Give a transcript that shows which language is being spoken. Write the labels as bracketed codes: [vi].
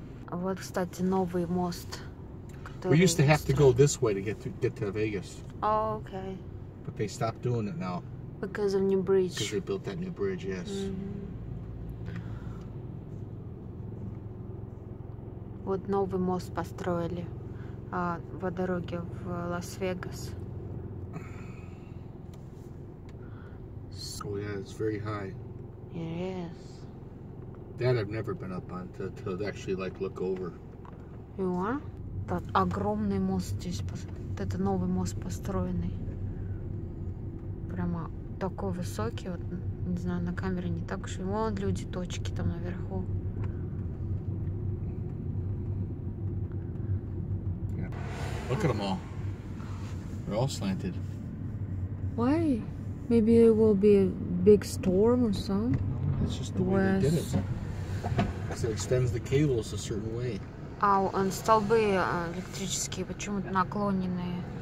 [ru] Вот, кстати, новый мост. [en] We used to have to go this way to get to Vegas. Oh, okay. But they stopped doing it now. Because of new bridge. Because they built that new bridge, yes. [ru] Вот новый мост построили по дороге в Лас-Вегас. [en] Oh yeah, it's very high. It is. That I've never been up on to actually like look over. You are? That [ru] огромный мост здесь, это новый мост построенный. Прямо такой высокий, вот не знаю, на камере не так уж и вон люди точки там наверху. [en] Yeah. Look at them all. They're all slanted. Why? Maybe it will be a big storm or something. It's just the way they did it. Because it extends the cables a certain way. [ru] Он столбы электрические почему-то наклоненные.